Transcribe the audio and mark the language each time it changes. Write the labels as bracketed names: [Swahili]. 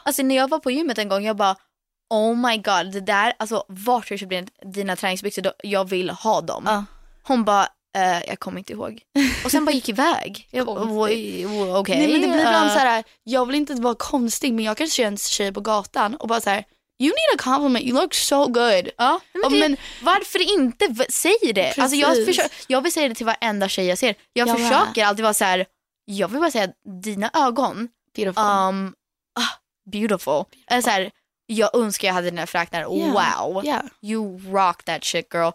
[Swedish] Alltså när jag var på gymmet en gång, jag bara, [English] oh my god, [Swedish] det där, alltså vart har du köpt dina träningsbyxor? Jag vill ha dem. Hon bara, jag kommer inte ihåg. Och sen bara gick iväg. Okej. Nej, men det blir ibland såhär, jag vill inte vara konstig, men jag kanske känner en tjej på gatan och bara så här. [English] You need a compliment, you look so good. [Swedish] Ja, men varför inte säg det? Precis. Alltså jag vill säga det till varenda tjej jag ser. Jag försöker alltid vara så här. Jag vill bara säga, dina ögon [English] beautiful. [Swedish] Så här, jag önskar jag hade dina fräknar. [English] Wow, you rock that shit girl.